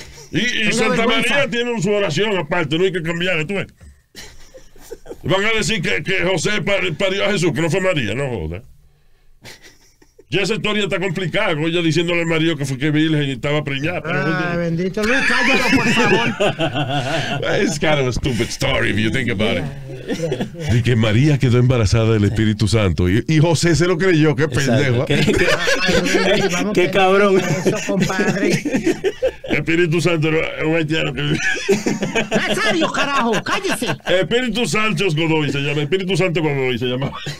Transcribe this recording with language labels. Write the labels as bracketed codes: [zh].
[es] Y Santa María tiene su oración aparte, no hay que cambiar, tú ves. Van a decir que José parió a Jesús, que no fue María, no joda. Ya esa historia está complicada, con ella diciéndole al marido que fue que virgen y estaba preñada. Ah, bendito Luis, cállalo, por favor. [en] It's kind of a stupid story, if you think about it. [es] Y que María quedó embarazada del Espíritu Santo y José se lo creyó, qué pendejo. Qué cabrón. Eso, compadre. Espíritu Santo era un haitiano que vivía. ¡Nazario, carajo! ¡Cállese! Espíritu Sánchez Godoy se llama. Espíritu Santo Godoy se llama.